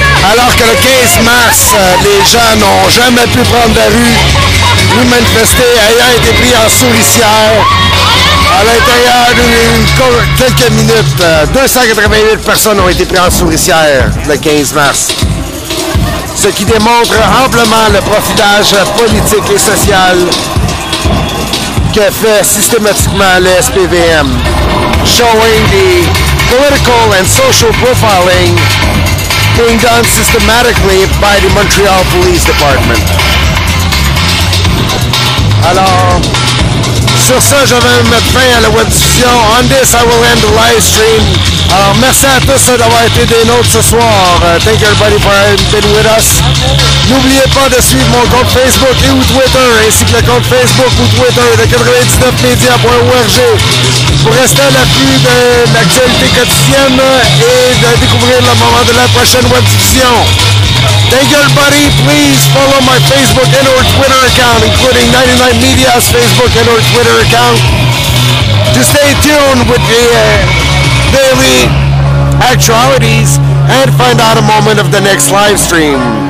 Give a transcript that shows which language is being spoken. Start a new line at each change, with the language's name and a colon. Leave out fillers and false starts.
French: Alors que le 15 mars, les gens n'ont jamais pu prendre la rue ou manifester, ayant été pris en souricière à l'intérieur d'une quelques minutes. 288 personnes ont été prises en souricière le 15 mars. Ce qui démontre amplement le profitage politique et social que fait systématiquement le SPVM.
English: Showing the political and social profiling being done systematically by the Montreal Police Department.
French: Alors, sur ça, je vais mettre fin à la web diffusion.
English: On this, I will end the live stream.
French: Alors, merci à tous d'avoir été des nôtres ce soir.
English: Thank you everybody for being with us.
French: N'oubliez pas de suivre mon compte Facebook et ou Twitter, ainsi que le compte Facebook ou Twitter de 99media.org pour rester à l'affût de l'actualité quotidienne et de découvrir le moment de la prochaine web diffusion.
English: Thank you everybody, please follow my Facebook and or Twitter account, including 99 Media's Facebook and or Twitter account, to stay tuned with the daily actualities and find out a moment of the next live stream.